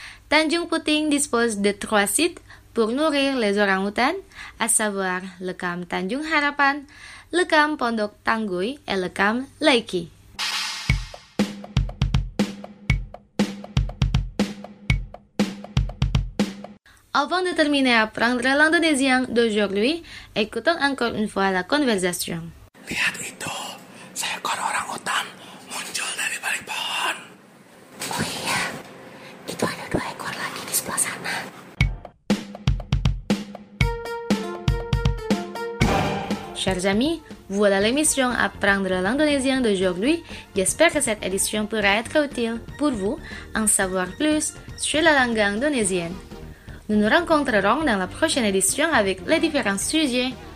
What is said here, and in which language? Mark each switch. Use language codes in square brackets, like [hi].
[fr] Tanjung Puting dispose de 3 sites pour nourrir les orang-outans, à savoir le camp Tanjung Harapan, le camp Pondok Tangguy et le camp Laiki. Avant de terminer à apprendre l'indonésien d'aujourd'hui, écoutons encore une fois la conversation. [id] Lihat itu, seekor orang-utan muncul dari balik pohon. Oh iya, itu ada 2 ekor lagi di sebelah sana. [fr] Chers amis, voilà l'émission Apprendre l'indonésien d'aujourd'hui. J'espère que cette édition pourra être utile pour vous en savoir plus sur la langue indonésienne. Nous nous rencontrerons dans la prochaine édition avec les différents sujets.